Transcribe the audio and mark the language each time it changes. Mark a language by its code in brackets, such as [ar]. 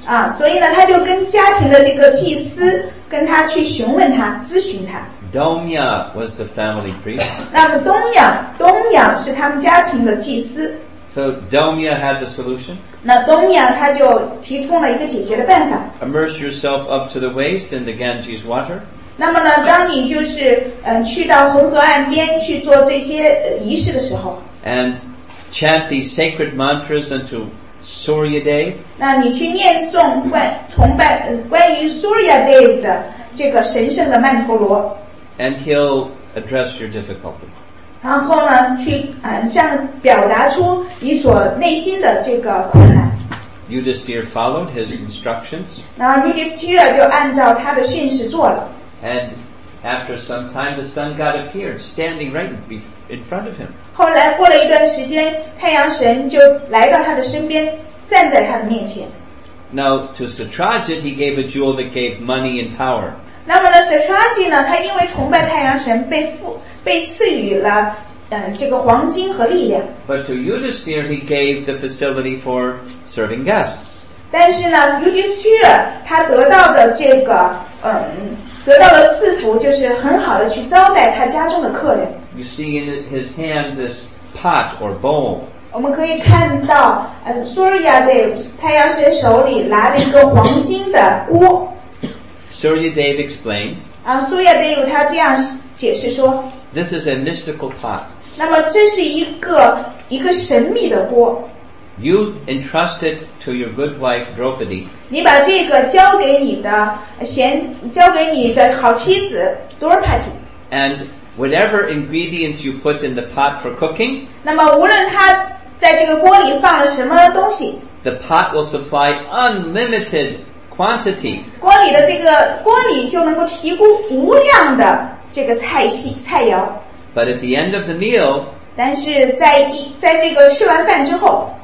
[zh] 啊，所以呢，他就跟家庭的这个祭司跟他去询问他、咨询他。 [en] Domya was the family priest. [zh] 那么东雅是他们家庭的祭司。 [en] So Domya had the solution. [zh] 那东雅他就提出了一个解决的办法。 [en] Immerse yourself up to the waist in the Ganges water. [zh] 那么呢，当你就是去到恒河岸边去做这些仪式的时候。 [en] And chant the sacred mantras unto Surya Dev. [zh] 那你去念诵关于 Surya Dev 的。这个神圣的曼陀罗 [en] and he'll address your difficulty. [zh] 然后呢，去向表达出你所内心的这个困难。 [en] Yudhisthira followed his instructions. [zh] 然后 Yudhisthira 就按照他的训示做了。 [en] And after some time, the sun god appeared, standing right in front of him. [zh] 后来过了一段时间，太阳神就来到他的身边，站在他的面前。 [en] Now to Satrajit, he gave a jewel that gave money and power. [zh] 那么呢 ，Satrajit 呢，他因为崇拜太阳神，被赐予了这个黄金和力量。 [en] But to Yudhisthira, he gave the facility for serving guests. [zh] 但是呢 ，Yudhisthira 他得到的这个得到的赐福就是很好的去招待他家中的客人。 [en] You see in his hand this pot or bowl. [zh] 我们可以看到Surya Dev 太阳神手里拿了一个黄金的锅。 [en] Surya Dev explained. [zh] Surya Dev 他这样解释说。 [en] This is a mystical pot. [zh] 那么这是一个神秘的锅。 [en] You entrusted to your good wife Draupadi. [zh] 你把这个交给你的好妻子 Draupadi. [en] And whatever ingredients you put in the pot for cooking. [zh] 那么无论他在这个锅里放了什么东西 [en] ？The pot will supply unlimited quantity. [zh] 锅里的这个锅里就能够提供无量的这个菜肴。 [en] But at the end of the meal, [zh] 但是在这个吃完饭之后